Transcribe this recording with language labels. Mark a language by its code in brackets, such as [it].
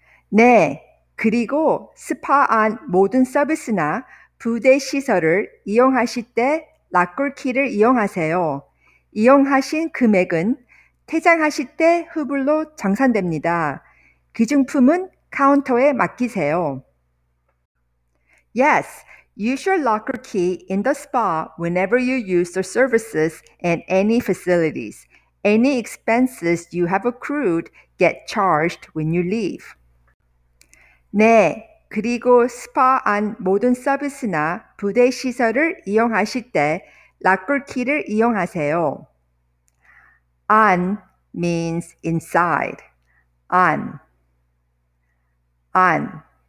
[ko] 네, 그리고 스파 안 모든 서비스나 부대 시설을 이용하실 때 락커 키를 이용하세요. 이용하신 금액은 퇴장하실 때 후불로 정산됩니다. 귀중품은 카운터에 맡기세요. [en] Yes, use your locker key in the spa whenever you use the services and any facilities. Any expenses you have accrued get charged when you leave. [ko] 네. 그리고 스파 안 모든 서비스나 부대 시설을 이용하실 때 락커 키를 이용하세요. [en] 안 means inside. [ko] 안. 안.